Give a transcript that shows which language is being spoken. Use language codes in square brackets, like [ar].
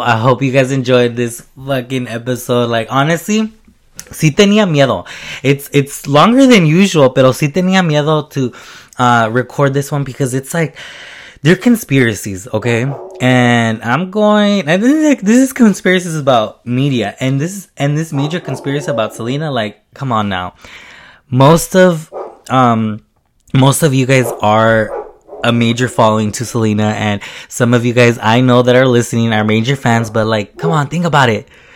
[en] I hope you guys enjoyed this fucking episode. Like, honestly, [es] sí tenía miedo. [en] It's longer than usual, [es] pero sí tenía miedo [en] to... record this one because it's like they're conspiracies, okay? And I'm going, and this is like, this is conspiracies about media, and this major conspiracy about Selena, like, come on now. Most of you guys are a major following to Selena, and some of you guys I know that are listening are major fans, but like, come on, think about it.